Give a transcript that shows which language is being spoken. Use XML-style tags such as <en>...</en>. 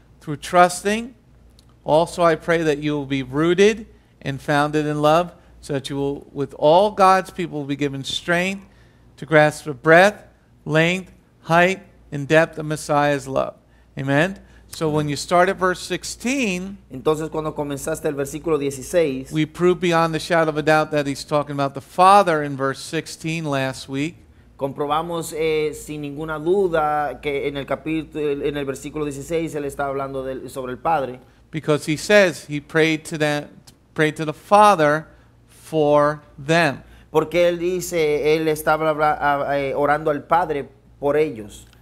<en>Through trusting, also I pray that you will be rooted and founded in love, so that you will, with all God's people, be given strength to grasp the breadth, length, height, and depth of Messiah's love. Amen? So when you start at verse 16,</en> <es>entonces cuando comenzaste el versículo 16,</es> <en>we prove beyond the shadow of a doubt that he's talking about the Father in verse 16 last week.</en> <es>Comprobamos sin ninguna duda que en el capítulo, en el versículo 16, él está hablando sobre el Padre.</es> <en>Because he says he prayed to the Father for them.</en> <es>Porque él dice, él estaba orando al Padre por ellos.</es>